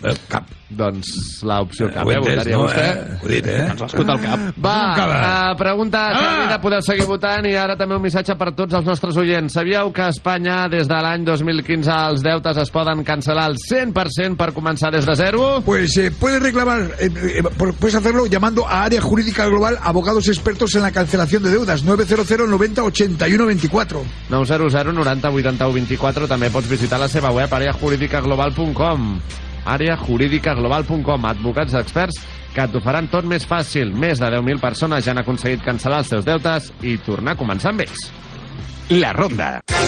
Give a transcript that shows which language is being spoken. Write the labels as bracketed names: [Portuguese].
[Catalan] El cap. Doncs l'opció cap. Ho he entès, no? Ho he dit, eh? Doncs l'escut al cap. Va, pregunta, Carlita, podeu seguir votant i ara també un missatge per tots els nostres oients. Sabíeu que a Espanya, des de l'any 2015, els deutes es poden cancel·lar al 100% per començar des de zero? [Spanish] Pues puedes reclamar, puedes hacerlo llamando a Área Jurídica Global Abogados Expertos en la Cancelación de Deudas, 900-90-81-24. [Catalan] 900-90-81-24, també pots visitar la seva web, areajuridicaglobal.com. Areajuridicaglobal.com, advocats experts que t'ho faran tot més fàcil. Més de 10.000 persones ja han aconseguit cancel·lar els seus deutes i tornar a començar amb ells. La Ronda.